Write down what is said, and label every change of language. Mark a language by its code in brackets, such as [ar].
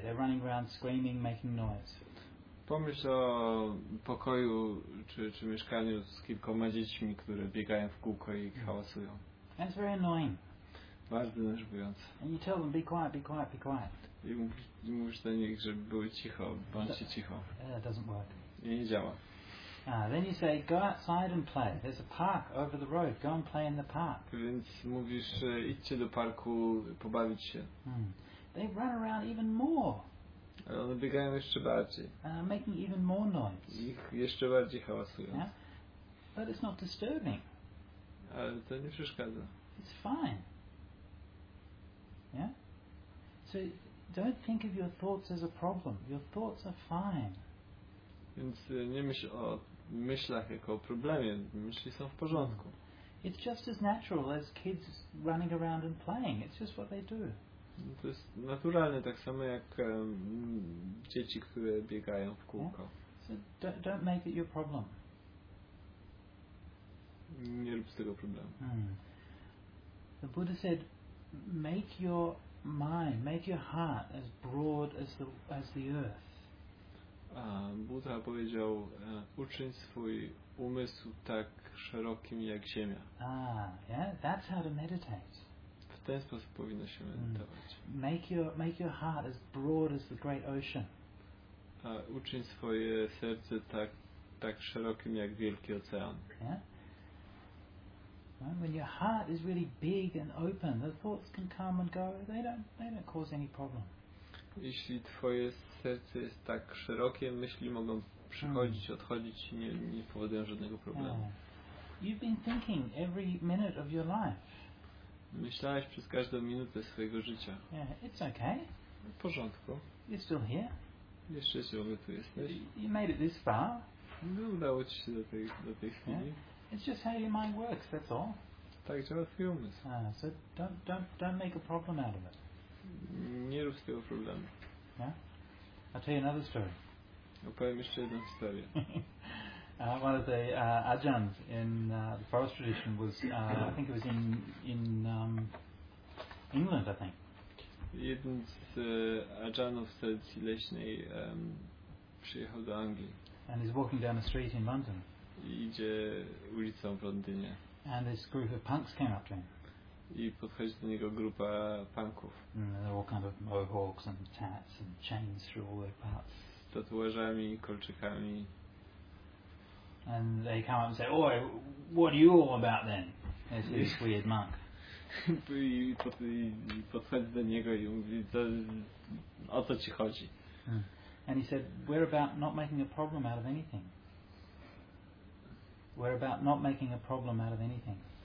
[en] They're running around screaming, making noise. [pl] Pomyśl o pokoju czy mieszkaniu z kilkoma dziećmi, które biegają w kółko i hałasują. [en] That's very annoying. [pl] Bardzo nerwujące. [en] And you tell them, be quiet, be quiet, be quiet. [pl] I mówisz do nich, żeby były cicho, bądźcie cicho. [en] That doesn't work. [pl] I nie działa. [en] Then you say, go outside and play. There's a park over the road. Go and play in the park. [pl] Więc mówisz, idźcie do parku, pobawić się. Mm. [en] They run around even more. [pl] Ale one biegają jeszcze bardziej. [en] Making even more noise. [pl] Ich jeszcze bardziej hałasują. [en] Yeah? But it's not disturbing. [pl] Ale to nie przeszkadza. [en] It's fine. Yeah? So don't think of your thoughts as a problem. Your thoughts are fine. [pl] Więc nie myśl o myślach jako o problemie. Myśli są w porządku. [en] It's just as natural as kids running around and playing. It's just what they do. [pl] To jest naturalne, tak samo jak dzieci, które biegają w kółko. [en] Yeah? So don't make it your problem. [pl] Nie rób z tego problemu. Mm. [en] The Buddha said, make your mind, make your heart as broad as the earth. [pl] Buddha powiedział, uczyń swój umysł tak szerokim jak ziemia. [en] Ah, yeah, that's how to meditate. [pl] W ten sposób powinno się medytować. [en] Make your heart as broad as the great ocean. [pl] A uczyń swoje serce tak szerokim jak wielki ocean. [en] Yeah? When your heart is really big and open, the thoughts can come and go. They don't cause any problem. [pl] Jeśli twoje serce jest tak szerokie, myśli mogą przychodzić, odchodzić i nie powodują żadnego problemu. [en] Yeah. You've been thinking every minute of your life. [pl] Myślałeś przez każdą minutę swojego życia. [en] Yeah, it's okay. [pl] W porządku. [en] You're still here. [pl] Jeszcze ciągle tu jesteś. [en] You made it this far. [pl] No, udało ci się do tej chwili. [en] Yeah. It's just how your mind works, that's all. [pl] Tak działa twój umysł. [en] So don't make a problem out of it. [pl] Nie rób z tego problemu. [en] Yeah? I'll tell you another story. [pl] Opowiem jeszcze jedną historię. [en] One of the ajans in the forest tradition was, I think it was in England, I think. [pl] Jeden z ajanów z tradycji leśnej przyjechał do Anglii. [en] And he's walking down a street in London. [pl] Idzie ulicą w Londynie. [en] And this group of punks came up to him. [pl] I podchodzi do niego grupa punków. [en] They're all kind of mohawks and tats and chains through all their parts. [pl] Z tatuażami, kolczykami. [en] And they come up and say, "Oi, what are you all about then?" There's this weird monk. [pl] I podchodzi do niego i mówi, o co ci chodzi? [en] And he said, "We're about not making a problem out of anything. We're about not making a problem out of anything."